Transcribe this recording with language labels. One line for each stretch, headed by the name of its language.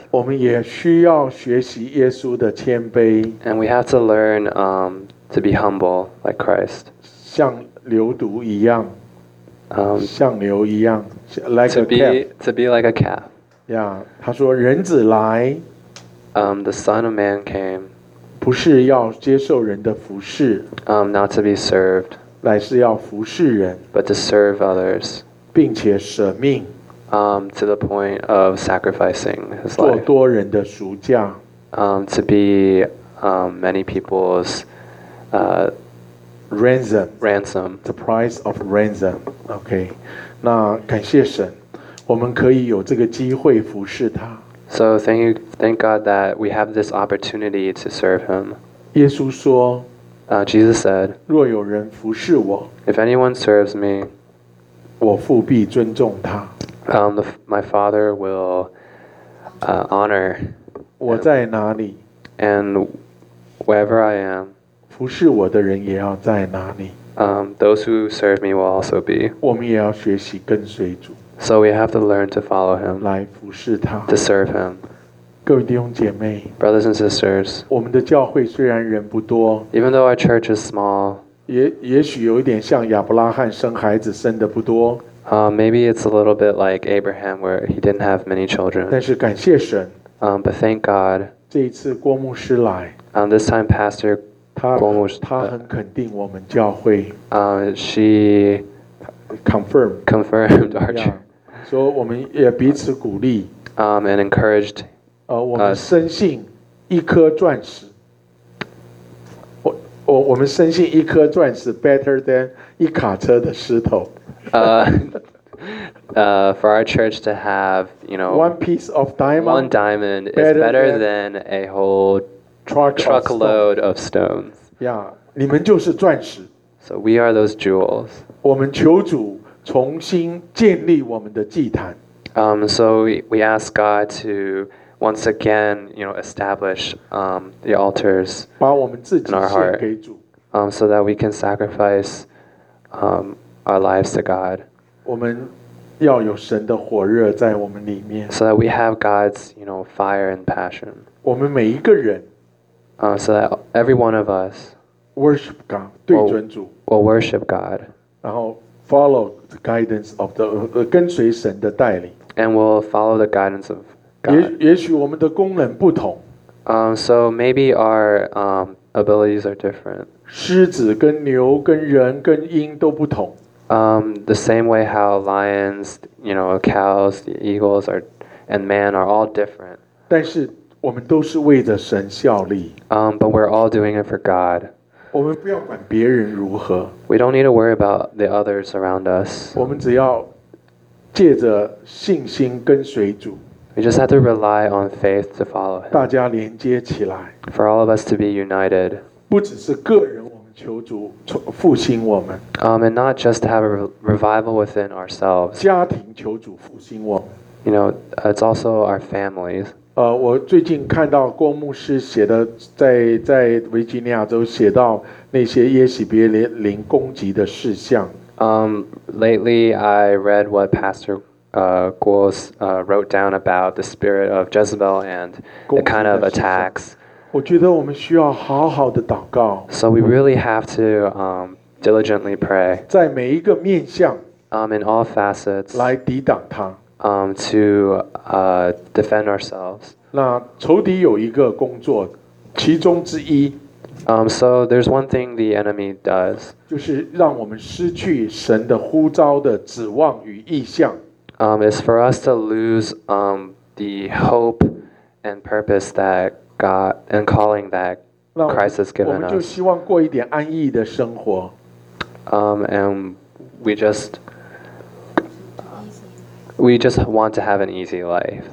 Chinese: 我们也需要学习耶稣的谦卑。
English: And we have to learn to be humble like Christ.
Chinese: 像牛犊一样。像牛一样。
English: Like a calf. To be like a calf.
Chinese: Yeah, 他说人子来。
English: The Son of Man came.
Chinese: 不是要接受人的服侍。
English: Not to be served.
Chinese: 乃是要服侍人。
English: But to serve others.
Chinese: 并且舍命。
English: To the point of sacrificing his life.
Chinese: 做多人的赎价。
English: To be many people's ransom. Ransom. The price of ransom. Okay.
Chinese: 那感谢神，我们可以有这个机会服侍他。
English: So thank God that we have this opportunity to serve Him.
Chinese: 耶稣说
English: Jesus said,
Chinese: 若有人服侍我
English: If anyone serves me,
Chinese: 我父必尊重他
English: My Father will honor
Chinese: 我在哪里
English: And wherever I am,
Chinese: 服侍我的人也要在哪里
English: Those who serve me will also be
Chinese: 我们也要学习跟随主
English: So we have to learn to follow him,
Chinese: 来服侍他
English: to serve him.
Chinese: 各位弟兄姐妹
English: brothers and sisters,
Chinese: 我们的教会虽然人不多
English: even though our church is small,
Chinese: 也许有一点像亚伯拉罕生孩子生的不多
English: maybe it's a little bit like Abraham where he didn't have many children.
Chinese: 但是感谢神
English: but thank God,
Chinese: 这一次郭牧师来
English: this time Pastor 郭牧师
Chinese: 他很肯定我们教会
English: she... Confirmed Archer. Yeah.
Chinese: So, 我们也彼此鼓励
English: and encouraged.
Chinese: 我们深信一颗钻石。我们深信一颗钻石
English: better than
Chinese: 一卡车的石头。
English: For our church to have, you know, one piece of diamond, one diamond is better than a whole truckload of stones.
Chinese: Yeah, 你们就是钻石。
English: So we are those jewels.
Chinese: 我们求主重新建立我们的祭坛。
English: So we ask God to once again, you know, establish the altars in our heart. So that we can sacrifice our lives to God.
Chinese: 我们要有神的火热在我们里面。
English: So that we have God's, you know, fire and passion.
Chinese: 我们每一个人。
English: So that every one of us. Worship God,
Chinese: 对准主。
English: We'll worship God. 然后 follow the guidance of the
Chinese: 跟随神的带领。
English: And we'll follow the guidance of God.
Chinese: 也许我们的功能不同。
English: So maybe our abilities are different.
Chinese: 狮子跟牛跟人跟鹰都不同。
English: The same way how lions, you know, cows, the eagles are, and man are all different.
Chinese: 但是我们都是为着神效力。
English: But we're all doing it for God.
Chinese: 我们不要管别人如何。
English: We don't need to worry about the others around us.
Chinese: 我们只要借着信心跟随主。
English: We just have to rely on faith to follow him.
Chinese: 大家连接起来。
English: For all of us to be united.
Chinese: 不只是个人，我们求主复兴我们。
English: And not just to have a revival within ourselves.
Chinese: 家庭求主复兴我们。
English: You know, it's also our families.
Chinese: 我最近看到郭牧师写的在维吉尼亚州写到那些耶洗别灵攻击的事项。
English: Lately, I read what Pastor Guo wrote down about the spirit of Jezebel and the kind of attacks.
Chinese: 我觉得我们需要好好的祷告。
English: So we really have to diligently pray.
Chinese: 在每一个面向。
English: In all facets.
Chinese: 来抵挡它。
English: To defend ourselves.
Chinese: 那仇敌有一个工作，其中之一。
English: So there's one thing the enemy does.
Chinese: 就是让我们失去神的呼召的指望与意向。
English: Is for us to lose the hope and purpose that God and calling that Christ has given us.
Chinese: 我们就希望过一点安逸的生活。
English: And we just want to have an easy life.